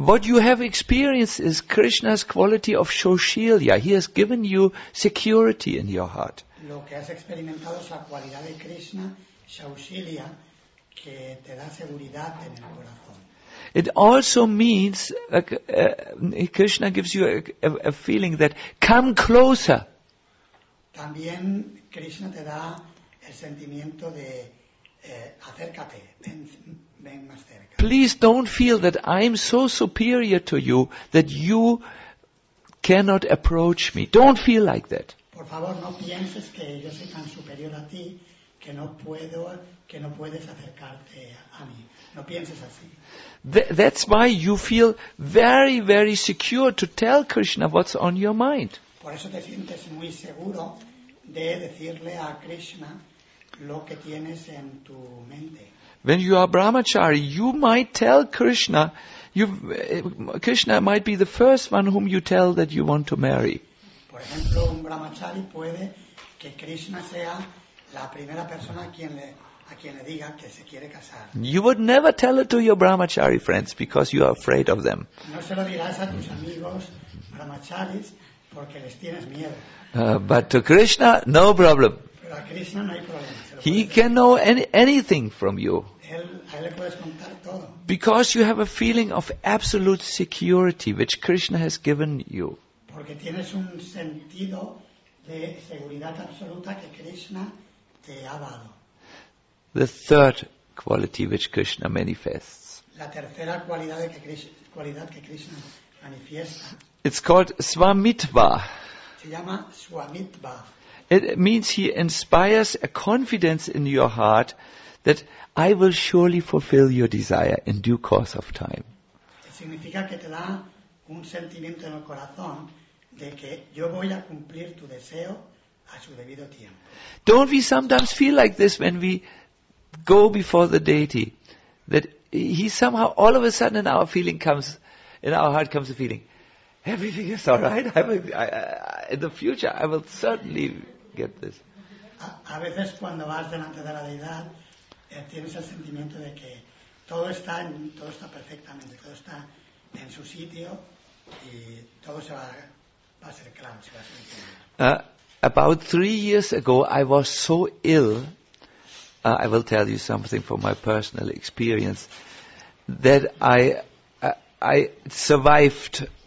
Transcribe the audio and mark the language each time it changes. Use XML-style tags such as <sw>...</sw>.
<en>What you have experienced is Krishna's quality of Shoshilya. He has given you security in your heart.</en> <es>Lo que has experimentado es la cualidad de Krishna, Shoshilya, que te da seguridad en el corazón.</es> <en>It also means Krishna gives you a feeling that come closer.</en> <es>También Krishna te da el sentimiento de acércate, ven más cerca.</es> <en>Please don't feel that I'm so superior to you that you cannot approach me. Don't feel like that.</en> <es>Por favor, no pienses que yo soy tan superior a ti que no puedo, que no puedes acercarte a mí. No pienses así.</es> <en>That's why you feel very, very secure to tell Krishna what's on your mind.</en> <es>Por eso te sientes muy seguro de decirle a Krishna lo que tienes en tu mente.</es> <en>When you are brahmachari, you might tell Krishna, Krishna might be the first one whom you tell that you want to marry.</en> <es>Por ejemplo, un brahmachari puede que Krishna sea la primera persona a quien le diga que se quiere casar.</es> <en>You would never tell it to your brahmachari friends because you are afraid of them.</en> <es>No se lo dirás a tus amigos brahmacharis porque les tienes miedo.</es> <en>But to Krishna, no problem.</en> <es>A Krishna no hay problema,</es> <en>he can know anything from you.</en> <es>A él</es> <en>Because you have a feeling of absolute security which Krishna has given you.</en> <es>Porque tienes un sentido de seguridad absoluta que Krishna te ha dado.</es> <en>The third quality which Krishna manifests.</en> <es>La tercera cualidad de que Krishna manifiesta.</es> <en>It's called Swamitva.</en> <es>Se llama Swamitva.</es> <en>It means he inspires a confidence in your heart that I will surely fulfill your desire in due course of time.</en> <es>Significa que te da un sentimiento en el corazón de que yo voy a cumplir tu deseo a su debido tiempo.</es> <en>Don't we sometimes feel like this when we go before the deity, that he somehow, all of a sudden in our feeling comes, in our heart comes a feeling, everything is all right. In the future, I will certainly get this.</en> <es>A veces cuando vas delante de la deidad, tienes el sentimiento de que todo está perfectamente, todo está en su sitio y todo va a ser claro. Se va a ser claro.</es> <en>About 3 years ago, I was so ill. I will tell you something from my personal experience that I survived.</en>